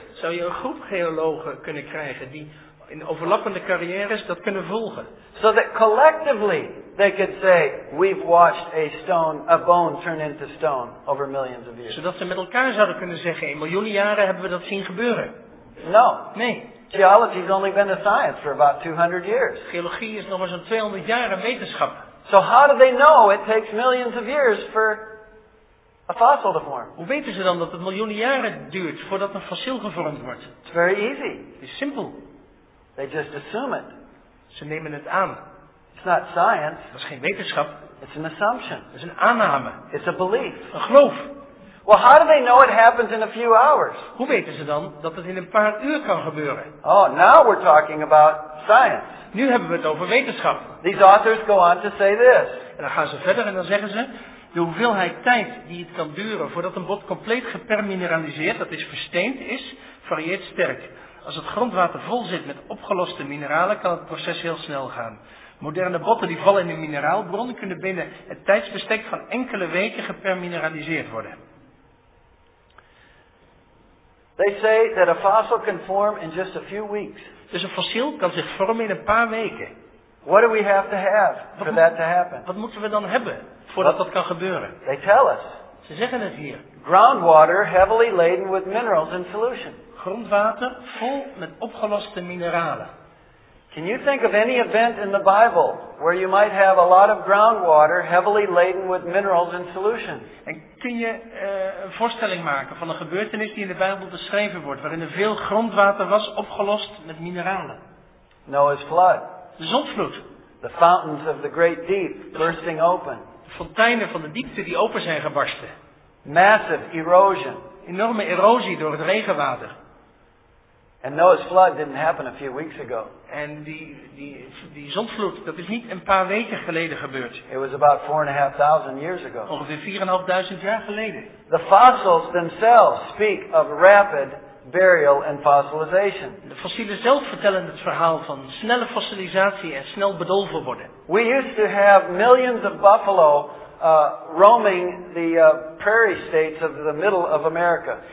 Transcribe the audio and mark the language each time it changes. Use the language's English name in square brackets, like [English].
[Dutch] Zou je een groep geologen kunnen krijgen die in overlappende carrières dat kunnen volgen? [English] So that collectively they could say we've watched a bone turn into stone over millions of years. [Dutch] Zodat ze met elkaar zouden kunnen zeggen in miljoenen jaren hebben we dat zien gebeuren. [English] No. [Dutch] Nee. [English] Geology's only been a science for about 200 years. [Dutch] Geologie is nog eens een 200 jaar een wetenschap. [English] So how do they know it takes millions of years for a fossil to form? [Dutch] Hoe weten ze dan dat het miljoenen jaren duurt voordat een fossiel gevormd wordt? [English] It's very easy. [Dutch] Het is simpel. [English] They just assume it. [Dutch] Ze nemen het aan. [English] It's not science. [Dutch] Dat is geen wetenschap. [English] It's an assumption. [Dutch] Dat is een aanname. [English] It's a belief. [Dutch] Een geloof. [English] Well, how do they know it happens in a few hours? [Dutch] Hoe weten ze dan dat het in een paar uur kan gebeuren? [English] Oh, now we're talking about science. [Dutch] Nu hebben we het over wetenschap. [English] These authors go on to say this. [Dutch] En dan gaan ze verder en dan zeggen ze: de hoeveelheid tijd die het kan duren voordat een bot compleet gepermineraliseerd, dat is versteend, is, varieert sterk. Als het grondwater vol zit met opgeloste mineralen, kan het proces heel snel gaan. Moderne botten die vallen in een mineraalbron kunnen binnen het tijdsbestek van enkele weken gepermineraliseerd worden. [English] They say that a fossil can form in just a few weeks. [Dutch] Dus een fossiel kan zich vormen in een paar weken. [English] What do we have to have for that to happen? [Dutch] Wat moeten we dan hebben voordat dat kan gebeuren? [English] They tell us. [Dutch] Ze zeggen het hier. [English] Groundwater heavily laden with minerals in solution. [Dutch] Grondwater vol met opgeloste mineralen. [English] Can you think of any event in the Bible where you might have a lot of groundwater heavily laden with minerals in solution? [Dutch] En kun je een voorstelling maken van een gebeurtenis die in de Bijbel beschreven wordt, waarin er veel grondwater was opgelost met mineralen? [English] Noah's flood. [Dutch] De zondvloed. [English] The fountains of the great deep bursting open. [Dutch] De fonteinen van de diepte die open zijn gebarsten. [English] Massive erosion. [Dutch] Enorme erosie door het regenwater. [English] And Noah's flood didn't happen a few weeks ago. [Dutch] En die zondvloed, dat is niet een paar weken geleden gebeurd. [English] It was about 4,500 years ago. [Dutch] Ongeveer 4,500 jaar geleden. [English] The fossils themselves speak of rapid burial and fossilization. [Dutch] De fossielen zelf vertellen het verhaal van snelle fossilisatie en snel bedolven worden. [English] We used to have millions of buffalo roaming the prairie states of the middle of America.